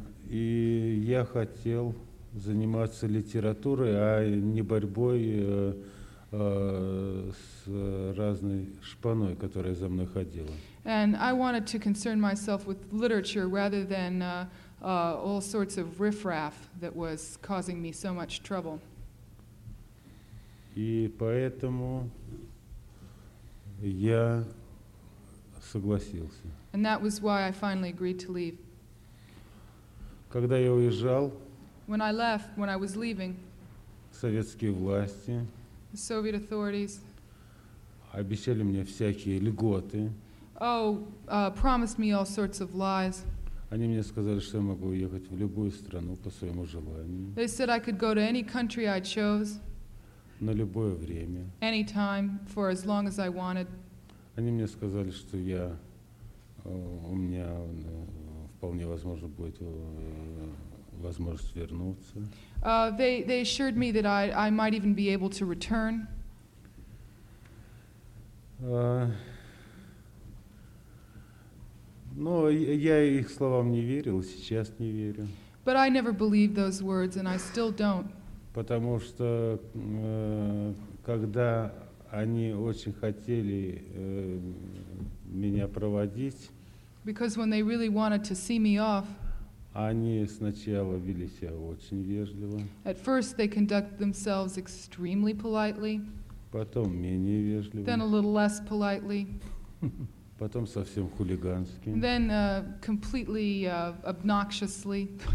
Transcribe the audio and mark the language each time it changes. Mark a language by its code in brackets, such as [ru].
[ru] И я хотел заниматься литературой, а не борьбой с разной шпаной, которая за мной ходила. [en] And I wanted to concern myself with literature rather than all sorts of riffraff that was causing me so much trouble. [ru] И поэтому я согласился. [en] And that was why I finally agreed to leave. [ru] Когда я уезжал, [en] when I left, when I was leaving, [ru] советские власти, [en] the Soviet authorities, [ru] обещали мне всякие льготы. [en] Oh, promised me all sorts of lies. [ru] Они мне сказали, что я могу уехать в любую страну по своему желанию. [en] They said I could go to any country I chose. [ru] На любое время. [en] Any time, for as long as I wanted. [ru] Они мне сказали, что я, у меня вполне возможно будет возможность вернуться. [en] They assured me that I might even be able to return. [ru] Но я их словам не верил, сейчас не верю. [en] But I never believed those words, and I still don't. [ru] Потому что когда они очень хотели меня проводить, [en] because when they really wanted to see me off, [ru] они сначала вели себя очень вежливо. [en] At first they conduct themselves extremely politely. [ru] Потом менее вежливо. [en] Then a little less politely. [ru] Потом совсем хулигански. [en] Then completely obnoxiously.